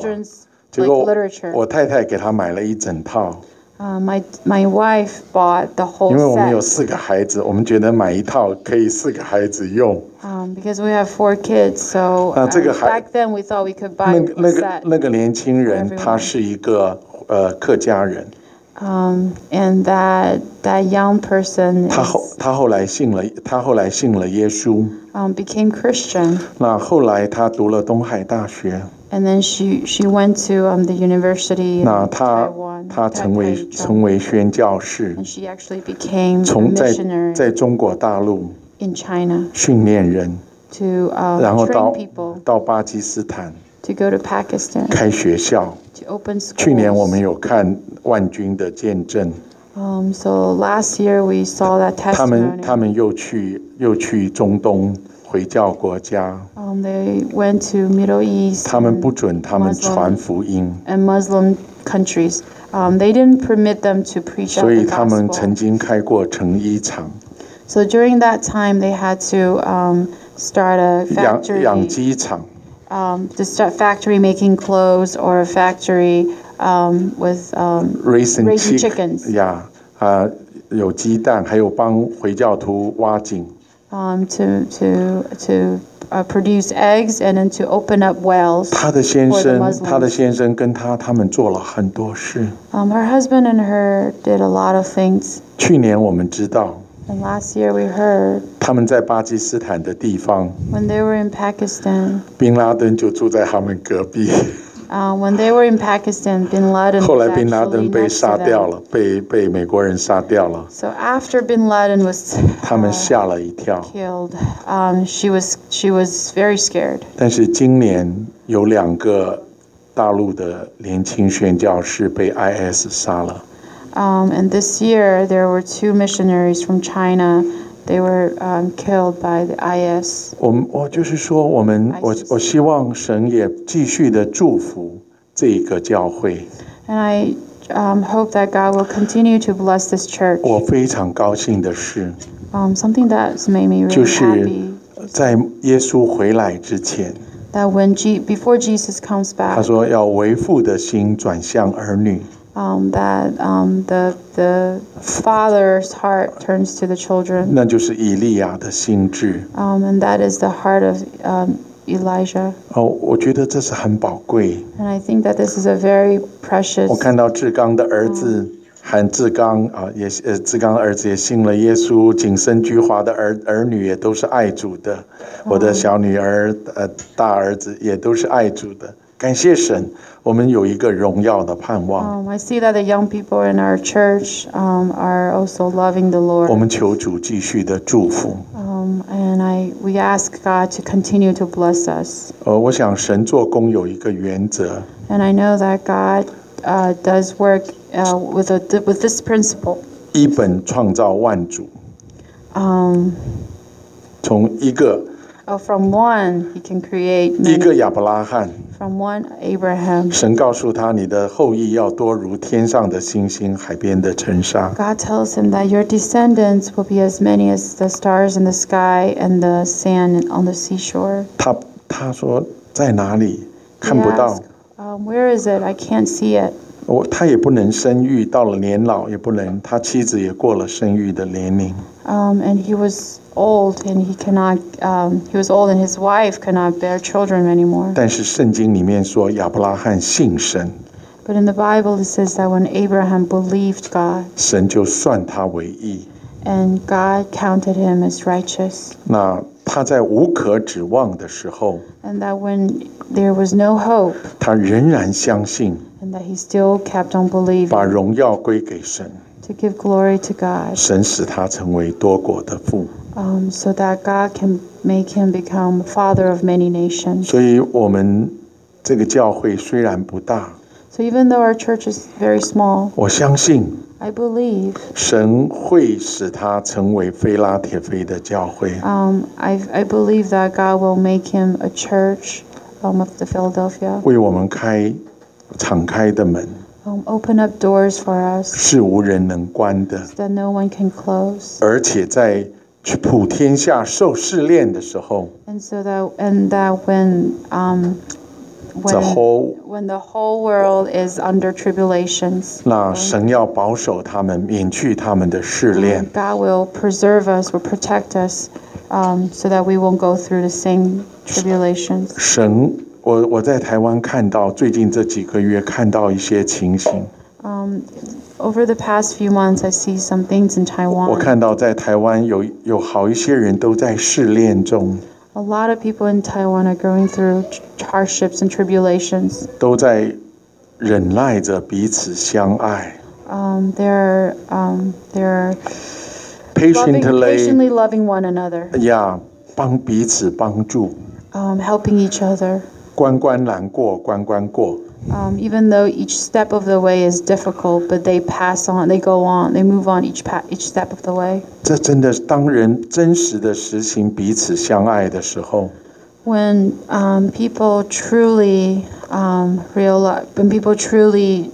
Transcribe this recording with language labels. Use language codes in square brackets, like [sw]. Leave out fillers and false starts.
[en] children's Like literature. My wife bought the whole set. [zh] 因为我们有四个孩子，我们觉得买一套可以四个孩子用。 [en] Because we have four kids, so [zh] 那这个孩, [en] back then we thought we could buy a set. [zh] 那个年轻人，他是一个客家人。 [en] And that young person. [zh] 他后来信了耶稣。 [en] Became Christian. [zh] 那后来他读了东海大学。 [en] And then she went to the university in Taiwan. [zh] 那他成为宣教士。 [en] And she actually became a missionary. [zh] 在中国大陆。 [en] In China. [zh] 训练人。 [en] To train people. [zh] 到巴基斯坦。 [en] To go to Pakistan. [zh] 开学校。 [en] To open schools. [zh] 去年我们有看万军的见证。 [en] So last year we saw that testimony. [zh] 他们又去中东回教国家。 [en] They went to Middle East. [zh] 他们不准他们传福音。 [en] And Muslim countries. They didn't permit them to preach the gospel. [zh] 所以他们曾经开过成衣厂。 [en] So during that time, they had to start a factory. 养鸡厂。 To start factory making clothes or a factory with raising chickens. Yeah, [zh] 有鸡蛋，还有帮回教徒挖井。 [en] To produce eggs and then to open up wells. [zh] 他的先生跟他们做了很多事。 [en] Her husband and her did a lot of things. [zh] 去年我们知道。 [en] And last year we heard. [zh] 他们在巴基斯坦的地方。 [en] When they were in Pakistan. [zh] Bin Laden 就住在他们隔壁。 [en] When they were in Pakistan, Bin Laden. [zh] 后来 Bin Laden 被杀掉了，被美国人杀掉了。 [en] So after Bin Laden was. [zh] 他们吓了一跳。 [en] Killed. She was very scared. [zh] 但是今年有两个大陆的年轻宣教士被 IS 杀了。 [en] And this year, there were two missionaries from China. They were killed by the IS. [zh] 我就是说，我希望神也继续的祝福这个教会。 [en] And I hope that God will continue to bless this church. [zh] 我非常高兴的是。 [en] Something that made me really happy. [zh] 就是在耶稣回来之前。 [en] That when before Jesus comes back. [zh] 他说要为父的心转向儿女。 [en] The father's heart turns to the children. [zh] 那就是以利亚的心智。 [en] And that is the heart of Elijah. [zh] 我觉得这是很宝贵。 [en] And I think that this is a very precious. [zh] 我看到志刚的儿子韩志刚志刚的儿子也信了耶稣，景深居华的儿女也都是爱主的，我的小女儿大儿子也都是爱主的。感谢神，我们有一个荣耀的盼望。 [en] I see that the young people in our church are also loving the Lord. [zh] 我们求主继续的祝福。 [en] And we ask God to continue to bless us. [zh] 我想神做工有一个原则。 [en] And I know that God does work with this principle. [zh] 一本创造万主。从一个。 [en] From one, he can create many. [zh] 一个亚伯拉罕。 [en] From one Abraham. [zh] 神告诉他，你的后裔要多如天上的星星，海边的尘沙。 [en] God tells him that your descendants will be as many as the stars in the sky and the sand on the seashore. [zh] 他说在哪里？看不到。 [en] Where is it? I can't see it. [zh] 他也不能生育，到了年老也不能，他妻子也过了生育的年龄。 [en] And he was. Old and he cannot. He was old and his wife cannot bear children anymore. [zh] 但是圣经里面说亚伯拉罕信神。 [en] But in the Bible it says that when Abraham believed God, [zh] 神就算他为义。 [en] And God counted him as righteous. [zh] 那他在无可指望的时候。 [en] And that when there was no hope, [zh] 他仍然相信。 [en] And that he still kept on believing. [zh] 把荣耀归给神。 [en] To give glory to God. [zh] 神使他成为多国的父。 [en] So that God can make him become father of many nations. [zh] 所以我们这个教会虽然不大。 [en] So even though our church is very small. [zh] 我相信。 [en] I believe. [zh] 神会使他成为腓拉铁菲的教会。 [en] I believe that God will make him a church of the Philadelphia. [zh] 为我们开敞开的门。 [en] Open up doors for us. [zh] 是无人能关的。 [en] So that no one can close. [zh] 而且在去普天下受试炼的时候 [en] ，and so that and that when the whole world is under tribulations， [zh] 那神要保守他们，免去他们的试炼。 [en] God will preserve us, will protect us, so that we won't go through the same tribulations。 [zh] 神，我在台湾看到最近这几个月看到一些情形。 [en] Over the past few months, I see some things in Taiwan. [zh] 我看到在台湾有好一些人都在试炼中。 [en] A lot of people in Taiwan are going through hardships and tribulations. [zh] 都在忍耐着彼此相爱。 [en] They're patiently loving one another. Yeah, [zh] 帮彼此帮助。 [en] Helping each other. [zh] 关关难过，关关过。 [en] Even though each step of the way is difficult, but they pass on, they go on, they move on each step of the way. [zh] 这真的当人真实的实行彼此相爱的时候。 [en] When people truly realize, when people truly